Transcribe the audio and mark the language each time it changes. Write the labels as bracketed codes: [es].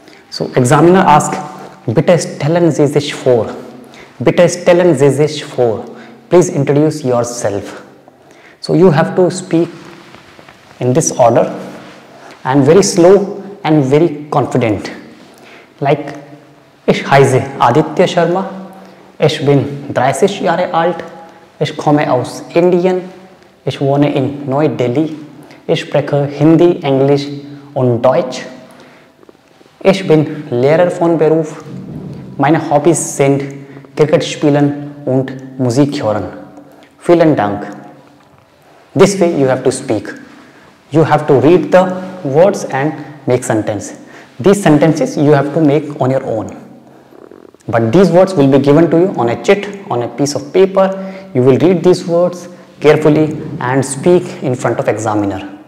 [en] So examiner asks, [de] bitte stellen Sie sich vor. Bitte stellen Sie sich vor. [en] Please introduce yourself. So you have to speak in this order and very slow and very confident. [de] Like, ich heiße Aditya Sharma, ich bin 30 Jahre alt, ich komme aus Indien, ich wohne in Neu-Delhi, ich spreche Hindi, Englisch und Deutsch, ich bin Lehrer von Beruf, meine Hobbys sind Cricket spielen und Musik hören. Vielen Dank. [en] This way you have to speak. You have to read the words and make sentence. These sentences you have to make on your own. But these words will be given to you on a chit, on a piece of paper. You will read these words carefully and speak in front of examiner.